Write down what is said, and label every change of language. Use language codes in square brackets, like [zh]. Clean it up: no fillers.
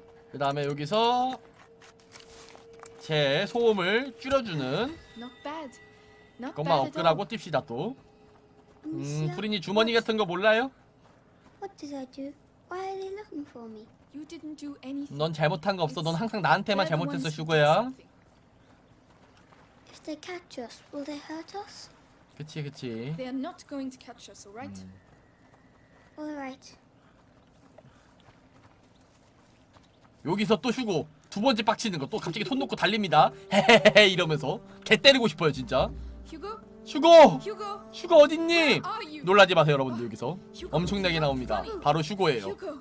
[ko] 그 다음에 여기서 제 소음을 줄여주는 그것만 업그레이드하고 뜁시다 또. 프린이 주머니 같은 거 몰라요? [en] What did I do? Why are they looking for me? You didn't do anything. [ko] 넌 잘못한 거 없어. 넌 항상 나한테만 잘못했어, 슈고야. [en] If they catch us, will they hurt us? [ko] 그치, 그치. [en] They are not going to catch us, alright? Alright. [ko] 여기서 또 슈고 두 번째 빡치는 거 또 갑자기 손 놓고 달립니다. 헤헤헤 이러면서 개 때리고 싶어요 진짜. 슈고! 슈고 어딨니? 놀라지 마세요 여러분들. 여기서 엄청나게 나옵니다. 바로 슈고예요.